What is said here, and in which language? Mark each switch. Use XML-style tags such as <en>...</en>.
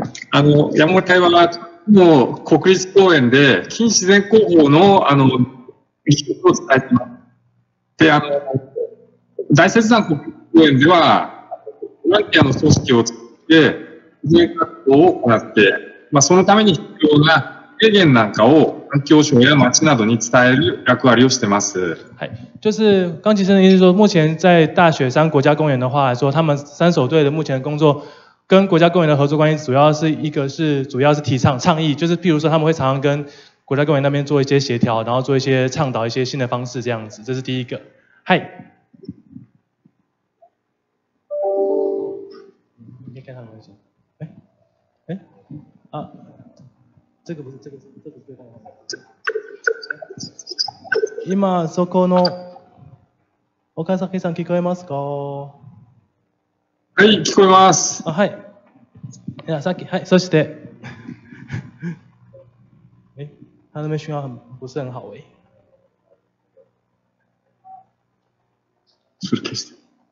<ja>あの、山もみ隊は、もう国立公園で、近自然工法の、あの、技術を伝えてます。で、あの、大雪山国立公園では、ボランティアの組織を作って、自然活動を行って、まあ、そのために必要な制限なんかを、環境省や町などに伝える役割をしてます。はい。</ja> <zh>就是刚其实意思说，目前在大雪山国家公园的话来说，他们山守队的目前的工作跟国家公园的合作关系，主要是提倡倡议，就是譬如说他们会常常跟国家公园那边做一些协调，然后做一些倡导一些新的方式这样子，这是第一个。嗨，你看他们什么？哎，啊，这个不是，这个是对方。</zh> <ja>今そこの岡崎さん聞こえますか？はい、聞こえます。あ、はい。いや、さっき、はい、そして。え、他の名刺は</ja> <zh>不是很好耶。</zh> <ja>それ消して。</ja>